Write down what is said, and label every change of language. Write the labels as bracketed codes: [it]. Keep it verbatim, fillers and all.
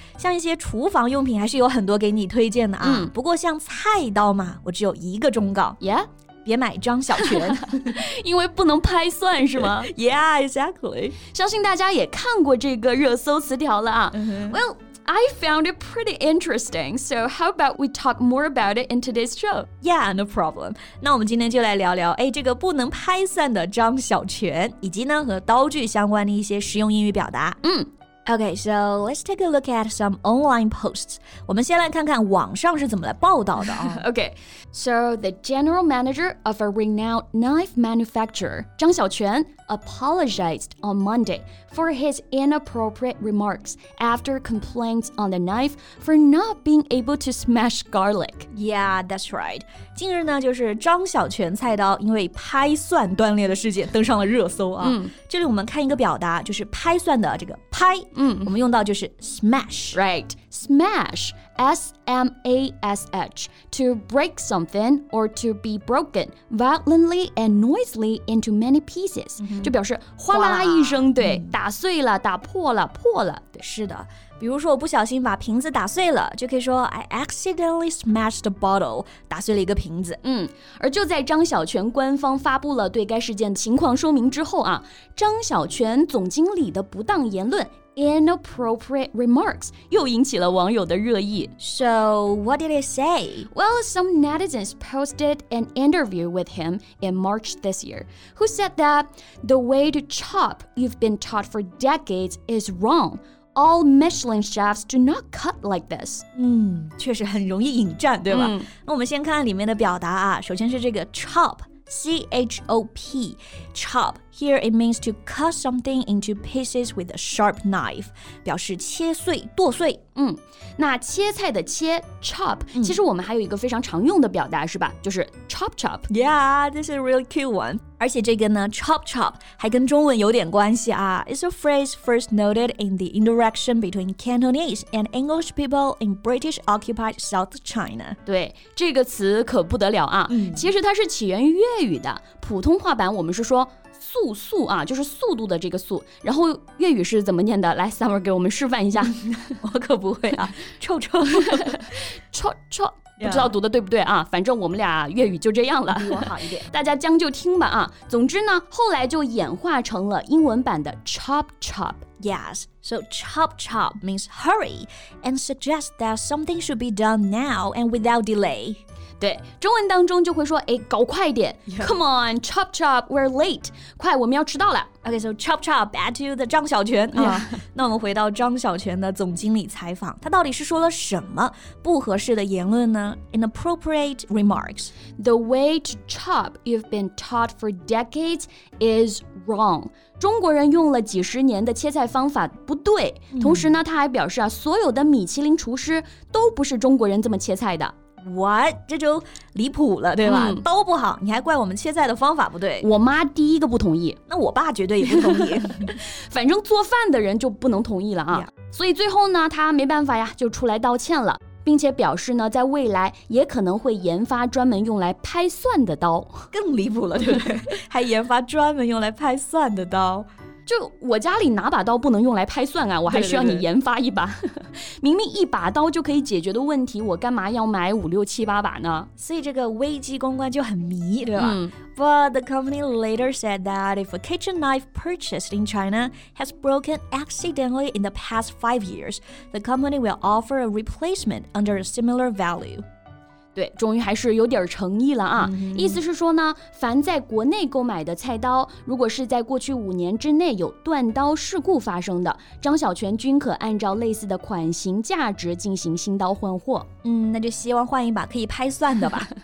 [zh] 像一些厨房用品还是有很多给你推荐的啊。嗯、不过像菜刀嘛，我只有一个忠告。 [en] Yeah? [zh] 别买张小泉。因为不能拍算是吗？ [en] Yeah, exactly. [zh] 相信大家也看过这个热搜词条了啊。 [en] Mm-hmm. Well, I found it pretty interesting. So how about we talk more about it in today's show? Yeah, no problem. [zh] 那我们今天就来聊聊哎，这个不能拍散的张小泉，以及呢和刀具相关的一些实用英语表达。嗯。 [en] Okay, so let's take a look at some online posts. [zh] 我们先来看看网上是怎么来报道的啊。 [en] Okay, so the general manager of a renowned knife manufacturer, 张小泉, apologized on Monday for his inappropriate remarks after complaints on the knife for not being able to smash garlic. Yeah, that's right. [zh] 近日呢，就是张小泉菜刀因为拍蒜断裂的事件登上了热搜啊。嗯、这里我们看一个表达，就是拍蒜的这个拍。嗯，我们用到就是 smash, [en] right? Smash, S M A S H, to break something or to be broken violently and noisily into many pieces. [zh] 就表示哗啦一声，对，打碎了，打破了，破了。对，是的。比如说我不小心把瓶子打碎了，就可以说 [en] I accidentally smashed the bottle, [zh] 打碎了一个瓶子。嗯，而就在张小泉官方发布了对该事件情况说明之后啊，张小泉总经理的不当言论 [en] inappropriate remarks [zh] 又引起了网友的热议。 [en] So, what did it say? Well, some netizens posted an interview with him in March this year, who said that the way to chop you've been taught for decades is wrong. All Michelin chefs do not cut like this. [zh] 嗯，确实很容易引战，对吧？嗯、那我们先看里面的表达啊，首先是这个 chop. [en] C H O P, chop. Here it means to cut something into pieces with a sharp knife. [zh] 表示切碎、剁碎。嗯，那切菜的切 chop、嗯、其实我们还有一个非常常用的表达是吧？就是 chop chop. [en] Yeah, this is a really cute one. [zh] 而且这个呢 chop chop 还跟中文有点关系啊。 [en] It's a phrase first noted in the interaction between Cantonese and English people in British occupied South China. [zh] 对，这个词可不得了啊。嗯、其实它是起源于粤语的，普通话版我们是说速速啊，就是速度的这个速，然后粤语是怎么念的？来 Summer 给我们示范一下。我可不会啊，臭臭臭臭，不知道读的对不对啊，反正我们俩粤语就这样了，比我好一点，大家将就听吧啊。总之呢，后来就演化成了英文版的 chop chop。 [en] Yes, so chop chop means hurry and suggests that something should be done now and without delay. [zh] 对，中文当中就会说，哎，搞快点、 [en] yeah. Come on, chop chop, we're late. [zh] 快，我们要迟到了。 [en] Okay, so chop chop, back to the 张小泉、yeah. 啊。 [zh] 那我们回到张小泉的总经理采访，他到底是说了什么不合适的言论呢？ [en] Inappropriate remarks. The way to chop you've been taught for decades is wrong. [zh] 中国人用了几十年的切菜方法不对。嗯、同时呢，他还表示啊，所有的米其林厨师都不是中国人这么切菜的。 [en] What? [zh] 这就离谱了，对吧？刀、嗯、不好，你还怪我们切菜的方法不对。我妈第一个不同意，那我爸绝对也不同意。反正做饭的人就不能同意了啊。 [en] Yeah. [zh] 所以最后呢，他没办法呀，就出来道歉了，并且表示呢，在未来也可能会研发专门用来拍蒜的刀。更离谱了，对不对？还研发专门用来拍蒜的刀。就我家里拿把刀不能用来拍蒜啊，我还需要你研发一把。对对对明明一把刀就可以解决的问题，我干嘛要买五六七八把呢？所以这个危机公关就很迷，对吧？嗯。 [en] But the company later said that if a kitchen knife purchased in China has broken accidentally in the past five years, the company will offer a replacement under a similar value. [zh] 对，终于还是有点诚意了啊、嗯、意思是说呢，凡在国内购买的菜刀，如果是在过去五年之内有断刀事故发生的，张小泉均可按照类似的款型价值进行新刀换货。嗯，那就希望换一把可以拍蒜的吧